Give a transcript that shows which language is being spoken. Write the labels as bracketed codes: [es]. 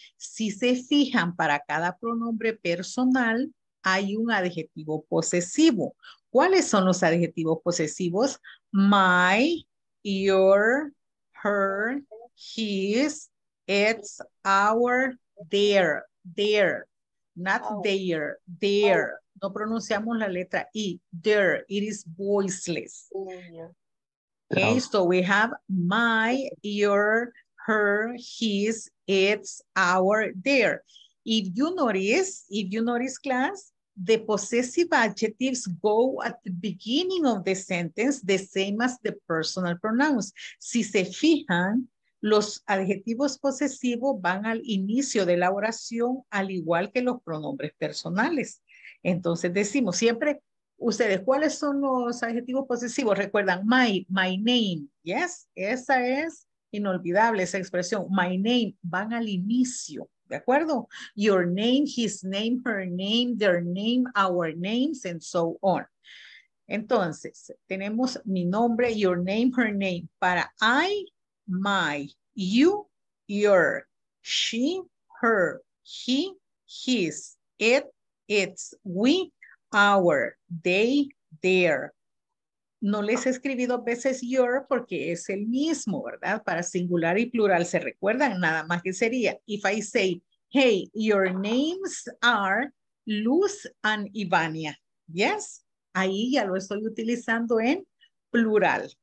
[es] Si se fijan, para cada pronombre personal hay un adjetivo posesivo. ¿Cuáles son los adjetivos posesivos? [en] My, your, her, his, it's, our, their, their. Not their, their. [es] No pronunciamos la letra I, [en] there, it is voiceless. Okay, so we have my, your, her, his, it's, our, their. If you notice class, the possessive adjectives go at the beginning of the sentence, the same as the personal pronouns. [es] Si se fijan, los adjetivos posesivos van al inicio de la oración, al igual que los pronombres personales. Entonces decimos siempre, ustedes, ¿cuáles son los adjetivos posesivos? Recuerdan, [en] my name, yes, [es] esa es inolvidable, esa expresión, my name, van al inicio, ¿de acuerdo? [en] Your name, his name, her name, their name, our names, and so on. [es] Entonces, tenemos mi nombre, [en] your name, her name, para I, my, you, your, she, her, he, his, it, it's, we, our, they, their. [es] No les he escribido a veces your porque es el mismo, ¿verdad? Para singular y plural, ¿se recuerdan? Nada más que sería. [en] If I say, hey, your names are Luz and Ivania. [es] Yes, ahí ya lo estoy utilizando en plural.